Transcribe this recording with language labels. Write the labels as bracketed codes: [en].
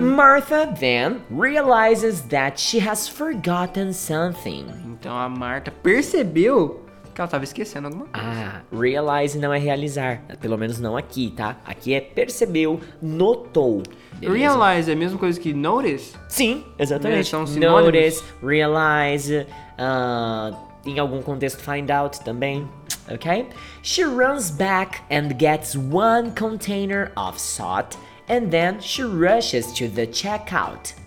[en] Martha then realizes that she has forgotten something. [pt] Então a Martha percebeu que ela estava esquecendo alguma coisa. Ah, realize não é realizar. Pelo menos não aqui, tá? Aqui é percebeu, notou. Beleza? Realize é a mesma coisa que notice? Sim, exatamente. São sinônimos. Notice, realize, em algum contexto find out também. Okay? [en] She runs back and gets one container of salt and then she rushes to the checkout.